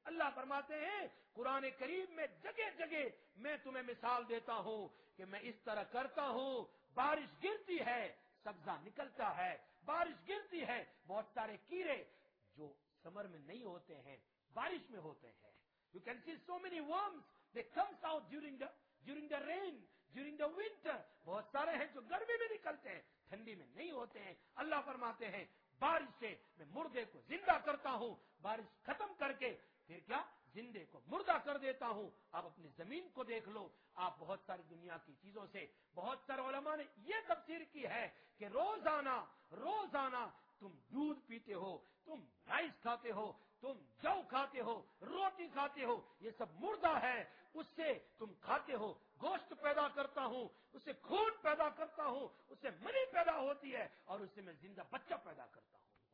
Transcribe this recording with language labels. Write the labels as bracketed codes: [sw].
[ur] اللہ فرماتے ہیں قرآن کریم میں جگہ جگہ، میں تمہیں مثال دیتا ہوں کہ میں اس طرح کرتا ہوں، بارش گرتی ہے سبزہ نکلتا ہے، بارش گرتی ہے بہت سارے کیڑے جو سمر میں نہیں ہوتے ہیں بارش میں ہوتے ہیں. [en] You can see so many worms they comes out during the rain, during the winter. [ur] بہت سارے ہیں جو گرمی میں نکلتے ہیں، ٹھنڈی میں نہیں ہوتے ہیں. اللہ فرماتے ہیں بارش سے میں مردے کو زندہ کرتا ہوں، بارش ختم کر کے پھر کیا، زندے کو مردہ کر دیتا ہوں. آپ اپنی زمین کو دیکھ لو، آپ بہت ساری دنیا کی چیزوں سے، بہت سارے علماء نے یہ تفسیر کی ہے کہ روزانہ روزانہ تم دودھ پیتے ہو، تم رائس کھاتے ہو، تم جو کھاتے ہو، روٹی کھاتے ہو، یہ سب مردہ ہے، اس سے تم کھاتے ہو، گوشت پیدا کرتا ہوں، اس سے خون پیدا کرتا ہوں، اس سے منی پیدا ہوتی ہے، اور اس سے میں زندہ بچہ پیدا کرتا ہوں.